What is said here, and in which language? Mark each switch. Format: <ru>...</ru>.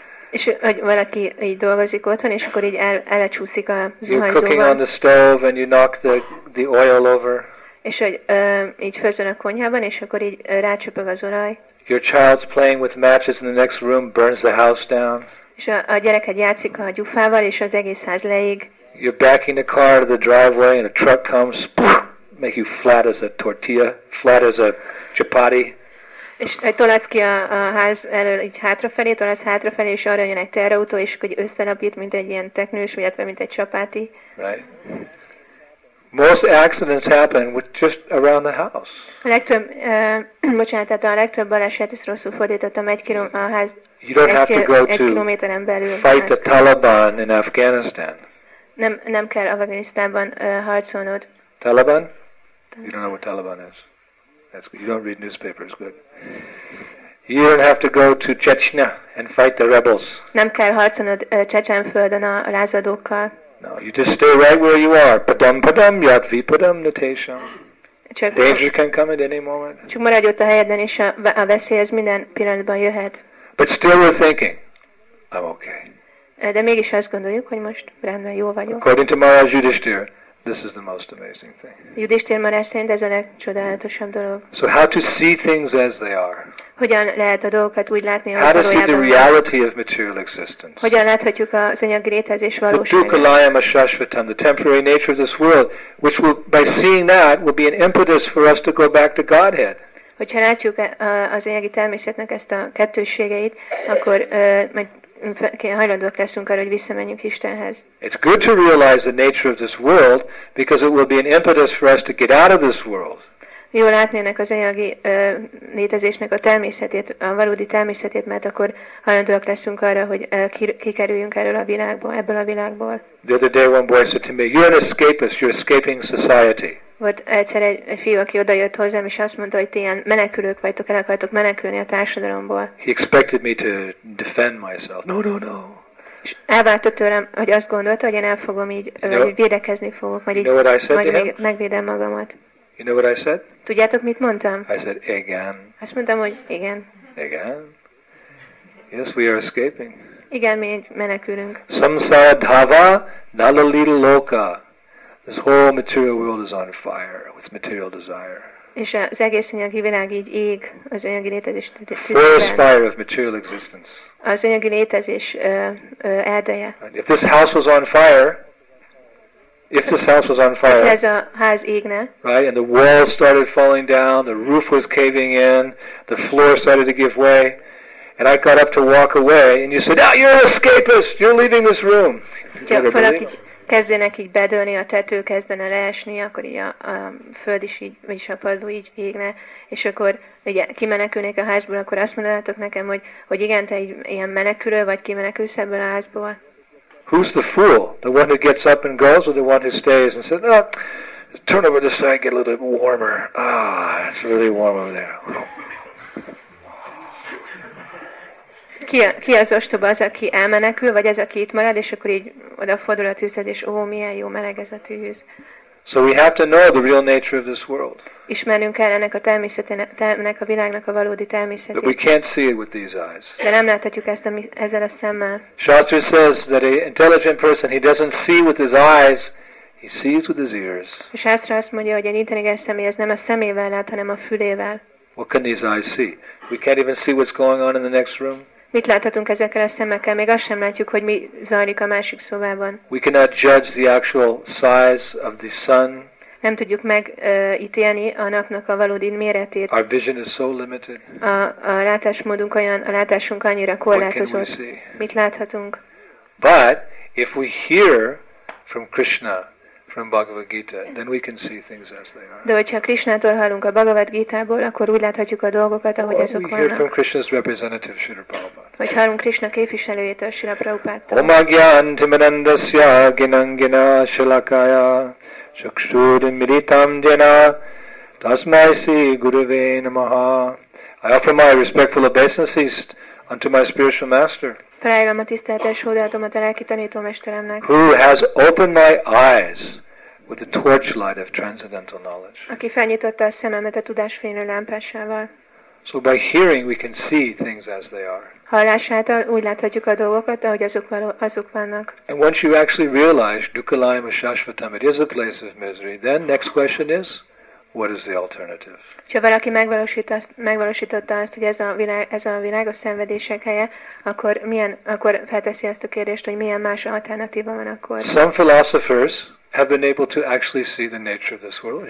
<hu>És hogy valaki így dolgozik otthon, és akkor így elecsúszik a zuhanyzóban.</hu> <en>You're cooking on the stove and you knock the oil over.</en> <hu>És hogy így főzön a konyhában, és akkor így rácsöpög az olaj.</hu> <en>Your child's playing with matches in the next room, burns the house down.</en> <hu>És a gyereked játszik a gyufával, és az egész ház leég.</hu> <en>You're backing the car to the driveway and a truck comes, poof, make you flat as a tortilla, flat as a chapati.</en> <hu>És tolatsz ki a ház elől így hátrafelé, tolatsz hátrafelé, és arra jön egy teherautó, és hogy összenapít, mint egy ilyen teknős, illetve mint egy chapati.</hu> <en>Right. Most accidents happen with just around the house.</en> <hu>A legtöbb, bocsánat, tehát a legtöbb baleset, ezt rosszul fordítottam, egy kilométer a ház,</hu> <en>you don't have to go to</en> <hu>kilométeren belül.</hu> <en>Fight the Taliban in Afghanistan.</en> <hu>Nem kell Afganisztánban harcolnod.</hu> <en>Taliban? You don't know what Taliban is. That's good. You don't read newspapers, good. You don't have to go to Chechnya and fight the rebels.</en> <hu>Nem kell harcolnod Csecsenföldön a lázadókkal.</hu> <en>No, you just stay right where you are.</en> <sa>Padam padam, yat vipadam natesham.</sa> <en>Danger can come at any moment.</en> <hu>Csak maradj ott a helyeden, és a veszély az minden pillanatban jöhet.</hu> <en>But still we're thinking, I'm okay.</en> <hu>De mégis azt gondoljuk, hogy most rendben jó vagyok.</hu> <en>According to Maharaj Yudhishthir, this is the most amazing thing.</en> <hu>Yudhishthir Maharaj szerint ez a legcsodálatosabb dolog.</hu> <en>So how to see things as they are?</en> <hu>Hogyan lehet a dolgokat úgy látni, ahogy valójában?</hu> <en>How to see the reality of material existence?</en> <hu>Hogyan láthatjuk az anyagi létezés valóságát?</hu> <en>The dukkhalayam ashashvatam, the temporary nature of this world, which will, by seeing that, will be an impetus for us to go back to Godhead.</en> <hu>Hogyha látjuk az anyagi természetnek ezt a kettősségeit, akkor majd hajlandóak leszünk arra, hogy visszamenjünk Istenhez.</hu> <en>It's good to realize the nature of this world, because it will be an impetus for us to get out of this world.</en> <hu>Jó látni ennek az anyagi létezésnek a természetét, a valódi természetét, mert akkor hajlandóak leszünk arra, hogy kikerüljünk erről a világból, ebből a világból.</hu> <en>The other day one boy said to me, you're an escapist, you're escaping society.</en> <hu>Volt egyszer egy fiú, aki odajött hozzám, és azt mondta, hogy ti ilyen menekülők vagytok, el akartok menekülni a társadalomból.</hu> <en>He expected me to defend myself. No, no, no.</en> <hu>És elvárta tőlem, hogy azt gondolta, hogy én el fogom így, védekezni fogok, majd</hu> <en>you know</en> <hu>így</hu> <en>what I said</en> <hu>majd megvédem magamat.</hu> <en>You know what I said?</en> <hu>Tudjátok, mit mondtam?</hu> <en>I said,</en> <hu>igen. Azt mondtam, hogy igen. Igen.</hu> <en>Yes, we are escaping.</en> <hu>Igen, mi menekülünk.</hu> <sa>Samsara dhava nalalila loka.</sa> <en>This whole material world is on fire with material desire.</en> <hu>És az egész anyagi világ így ég az anyagi létezés tüdejében.</hu> <en>First fire of material existence.</en> <hu>Az anyagi létezés erdeje.</hu> <en>If this house was on fire, if this house was on fire,</en> <hu>ez a ház égne,</hu> <en>right, and the walls started falling down, the roof was caving in, the floor started to give way, And I got up to walk away, and you said, "Now you're an escapist. You're leaving this room."</en> <hu>Kezdenek így bedőlni a tető, kezdene leesni, akkor így a föld is így, vagyis a padló így égne, és akkor ugye kimenekülnék a házból, akkor azt mondanátok nekem, hogy igen, te így ilyen menekülő vagy, kimenekülsz ebből a házból.</hu> <en>Who's the fool? The one who gets up and goes, or the one who stays and says, "No, turn over this side, get a little bit warmer. Ah, it's really warm over there."</en> <hu>Ki az ostoba, az, aki elmenekül, vagy az, aki itt marad, és akkor így odafordul a tűzhez, és ó, milyen jó meleg ez a tűz.</hu> <en>So we have to know the real nature of this world.</en> <hu>Ismernünk kell ennek a természetének, a világnak a valódi természetét.</hu> <en>But we can't see it with these eyes.</en> <hu>De nem láthatjuk ezt ezzel a szemmel.</hu> <en>Shastri says that an intelligent person, he doesn't see with his eyes, he sees with his ears.</en> <hu>Shastri azt mondja, hogy egy intelligens személy ez nem a szemével lát, hanem a fülével.</hu> <en>What can these eyes see? We can't even see what's going on in the next room.</en> <hu>Mit láthatunk ezekkel a szemekkel? Még azt sem látjuk, hogy mi zajlik a másik szobában.</hu> <en>We cannot judge the actual size of the sun.</en> <hu>Nem tudjuk megítélni a napnak a valódi méretét.</hu> <en>Our vision is so limited.</en> <hu>A látásmódunk olyan, a látásunk annyira korlátozott.</hu> <en>What can we see?</en> <hu>Mit láthatunk?</hu> <en>But if we hear from Krishna, from Bhagavad Gita, then we can see things as they are.</en> <hu>De hogyha Krishnától hallunk a Bhagavad Gita-ból, akkor úgy láthatjuk a dolgokat, ahogy</hu> <en>well,</en> <hu>azok</hu> <en>we</en> <hu>vannak.</hu> <en>Hear from Krishna's representative, Srila Prabhupada.</en> <hu>Vagy hallunk Krishna képviselőjétől, Srila Prabhupádtól.</hu> <sa>Om agyan timanandasya ginangina shalakaya chakshurim miritam jena tasmai si guruve namaha.</sa> <en>I offer my respectful obeisances unto my spiritual master.</en> <hu>Felajánlom a tiszteletes hódolatomat a lelki tanítómesteremnek.</hu> <en>Who has opened my eyes with the torchlight of transcendental knowledge.</en> <hu>Aki felnyitotta a szememet a tudásfénylő lámpásával.</hu> <en>So by hearing we can see things as they are.</en> <hu>Hallás által úgy láthatjuk a dolgokat, ahogy azok vannak.</hu> <en>And once you actually realize dukkhalayam ashashvatam, it is a place of misery, then next question is, what is the alternative?</en> <hu>Ha valaki megvalósította azt, hogy ez a világ a szenvedések helye, akkor milyen, akkor felteszi ezt a kérdést, hogy milyen más alternatíva van akkor?</hu> <en>Some philosophers have been able to actually see the nature of this world.</en>